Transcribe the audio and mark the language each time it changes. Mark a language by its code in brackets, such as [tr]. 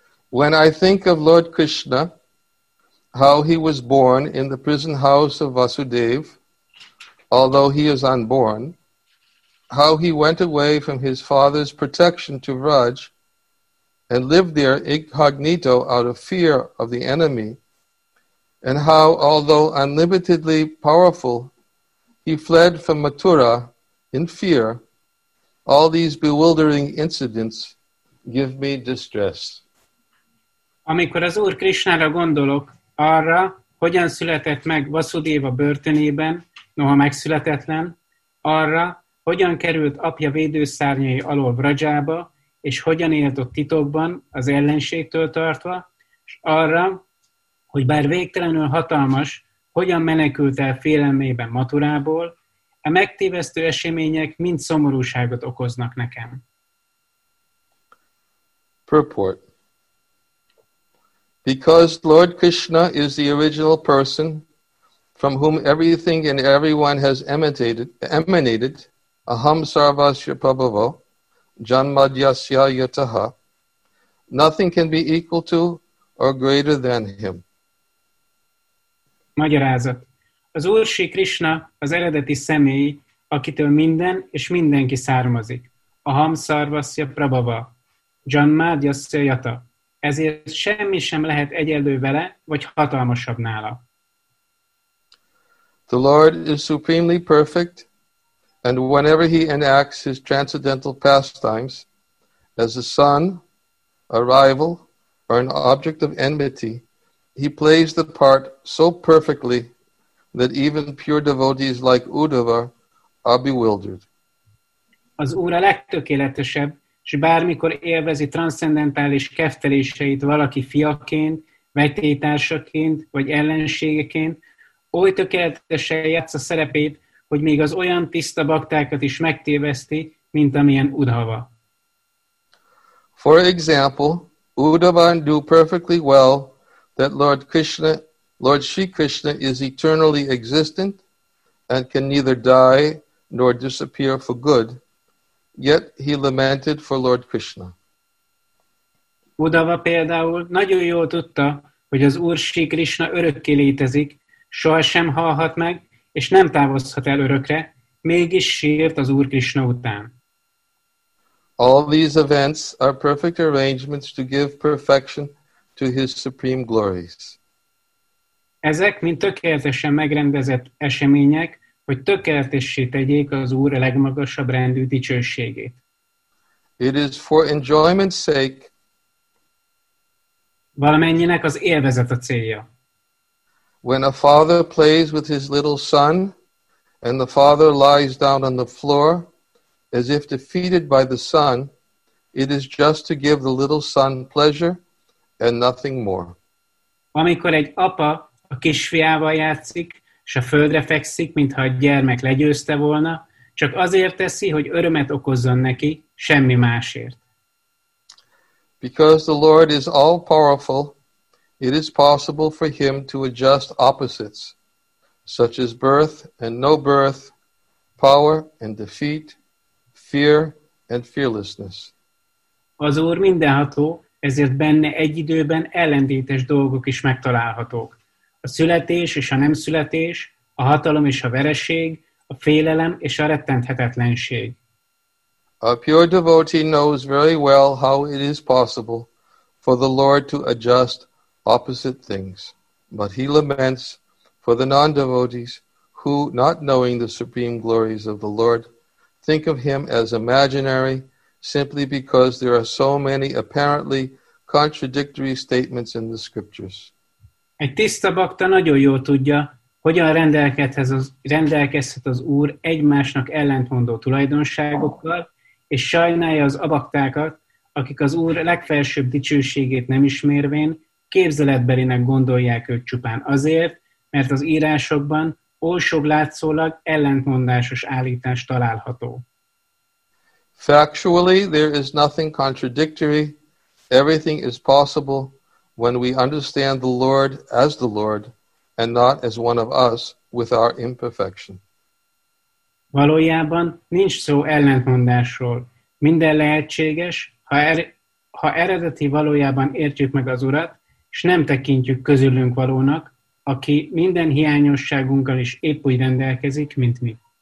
[en] When I think of Lord Krishna, how he was born in the prison house of Vasudev, although he is unborn, how he went away from his father's protection to Vraj and lived there incognito out of fear of the enemy, and how, although unlimitedly powerful, he fled from Mathura in fear, all these bewildering incidents give me distress. [hu] Amikor az Úr Krishnára gondolok, arra, hogyan született meg Vasudeva börtönében, noha megszületetlen, arra, hogyan került apja védőszárnyai alól Vrajába, és hogyan élt ott titokban, az ellenségtől tartva, és arra, hogy bár végtelenül hatalmas, hogyan menekült el félelmében Maturából, a megtévesztő események mind szomorúságot okoznak nekem. [en] Purport. Because Lord Krishna is the original person from whom everything and everyone has emanated, [sa] aham sarvasya prabhavo, janmadyasya yataha, [en] nothing can be equal to or greater than him. [hu] Magyarázat. Az Úr Sri Krishna az eredeti személy, akitől minden és mindenki származik. [sa] Aham sarvasya prabhava, janmadyasya yataha. [hu] ezért semmi sem lehet egyenlő vele, vagy hatalmasabb nála. [en] The Lord is supremely perfect, and whenever he enacts his transcendental pastimes, as a son, a rival, or an object of enmity, he plays the part so perfectly that even pure devotees like Uddhava are bewildered. [hu] Az Úr a legtökéletesebb, s bármikor élvezi transzcendentális kefteléseit valaki fiaként, vetélytársaként, vagy ellenségeként, oly tökéletesen játsza szerepét, hogy még az olyan tiszta baktákat is megtéveszti, mint amilyen Uddhava. [en] For example, Uddhava knew perfectly well that Lord Sri Krishna is eternally existent and can neither die nor disappear for good, yet he lamented for Lord Krishna. [hu] Uddhava például nagyon jól tudta, hogy az Úr Sri Krishna örökké létezik, sohasem halhat meg, és nem távozhat el örökre, mégis sírt az Úr Krishna után. [en] All these events are perfect arrangements to give perfection to his supreme glories. [hu] Ezek mind tökéletesen megrendezett események, hogy tökéletessé tegyék az Úr legmagasabb rendű dicsőségét. [en] It is for enjoyment's sake. [hu] Valamennyinek az élvezet a célja. [en] When a father plays with his little son, and the father lies down on the floor, as if defeated by the son, it is just to give the little son pleasure and nothing more. [hu] Amikor egy apa a kisfiával játszik, s a földre fekszik, mintha a gyermek legyőzte volna, csak azért teszi, hogy örömet okozzon neki, semmi másért. [en] Because the Lord is all-powerful, it is possible for him to adjust opposites, such as birth and no birth, power and defeat, fear and fearlessness. [hu] Az Úr mindenható, ezért benne egy időben ellentétes dolgok is megtalálhatók. A születés és a nem születés, a hatalom és a vereség, a félelem és a rettenthetetlenség. [en] A pure devotee knows very well how it is possible for the Lord to adjust opposite things, but he laments for the non-devotees who, not knowing the supreme glories of the Lord, think of him as imaginary simply because there are so many apparently contradictory statements in the scriptures. [hu] Egy tiszta bakta nagyon jól tudja, hogyan rendelkezhet az Úr egymásnak ellentmondó tulajdonságokkal, és sajnálja az abaktákat, akik az Úr legfelsőbb dicsőségét nem ismérvén, képzeletbelinek gondolják őt csupán azért, mert az írásokban olsóbb látszólag ellentmondásos állítás található. [en] Factually, there is nothing contradictory. Everything is possible when we understand the Lord as the Lord and not as one of us with our imperfection. [hu] Valójában nincs szó ellentmondásról. Minden lehetséges, ha eredeti valójában értjük meg az Urat, és nem tekintjük közülünk valónak, aki minden hiányosságunkkal is épp úgy rendelkezik, mint mi.